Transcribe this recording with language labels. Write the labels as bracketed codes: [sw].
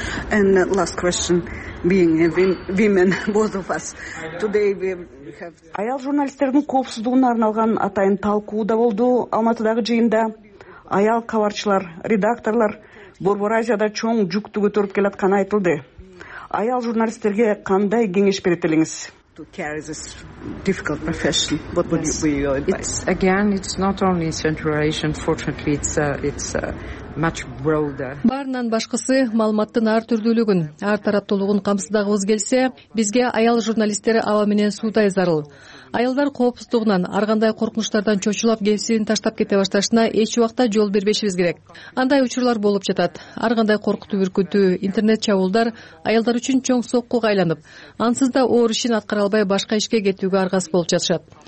[en] And last question, being women, both of us, today we have... [ky] Аял журналисттердин коопсуздугуна арналган атайын талкуу да болду Алматыдагы жыйында. Аял кабарчылар, редакторлор Борбор Азияда чоң жүктү көтөрүп келатканы айтылды. Аял журналисттерге кандай кеңеш берет элеңиз? [en] To carry this difficult profession, what would be your advice? Again, it's not only Central Asia, unfortunately, it's much broader. [ky] Баарынан башкысы маалыматтын ар түрдүүлүгүн, ар тараптуулугун камсыздагыбыз келсе, бизге аял журналисттер аба менен суудай зарыл. Аялдар коопсуздугунан, ар кандай коркунучтардан чочулап кесибин таштап кете башташына эч убакта жол бербешибиз керек. Андай учурлар болуп жатат. Ар кандай коркутуу бүркүтүү, интернет чабуулдар аялдар үчүн чоң соккуга айланып, ансыз да оор ишин аткара албай башка ишке кетүүгө аргасыз болуп жатышат.